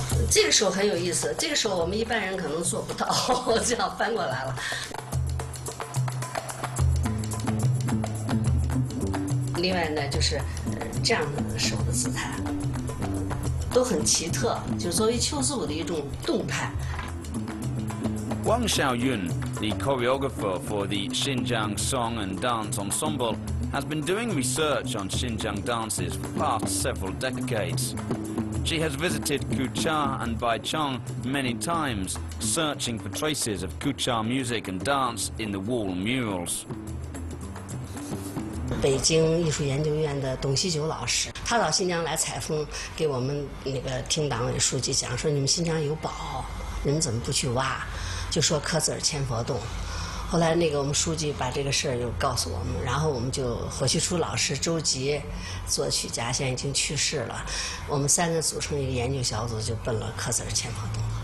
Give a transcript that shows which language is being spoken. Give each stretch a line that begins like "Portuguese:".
Chinese: 这个手很有意思，这个手我们一般人可能做不到，这样翻过来了。另外呢，就是这样的手的姿态都很奇特，就作为秋思舞的一种动态。
English: Wang Xiaoyun, the choreographer for the Xinjiang Song and Dance Ensemble, has been doing research on Xinjiang dances for the past several decades. She has visited Kuchar and Baicheng many times, searching for traces of Kuchar music and dance in the wall murals.
Chinese: 北京艺术研究院的董希九老师，他到新疆来采风，给我们那个厅党委书记讲说，你们新疆有宝，你们怎么不去挖？就说克孜尔千佛洞，后来那个我们书记把这个事儿又告诉我们，然后我们就何旭初老师、周吉作曲家现在已经去世了，我们三个组成一个研究小组，就奔了克孜尔千佛洞。